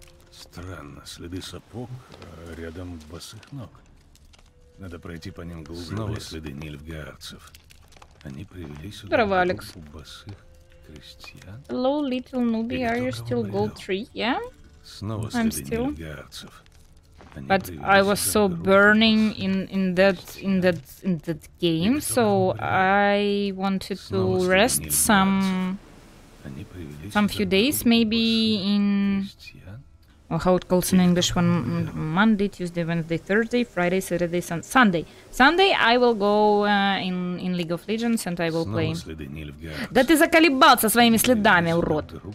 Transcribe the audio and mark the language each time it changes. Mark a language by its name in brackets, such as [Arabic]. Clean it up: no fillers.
[Russian] Странно. Следы сапог, а рядом босых ног. Надо пройти по ним глубже Снова в лес. Снова следы нильфгаардцев. Они привели сюда... Здорово, Алекс. ...у босых крестьян. [English] Hello, little newbie. Are you still gold tree? Yeah? [Russian] Снова следы нильфгаардцев. [English] But I was so burning in that game, so I wanted to rest some few days, maybe in how it calls in English when Monday, Tuesday, Wednesday, Thursday, Friday, Saturday, Sunday. Sunday I will go in League of Legends and I will play. [Russian] Да ты заколебался своими следами, урод!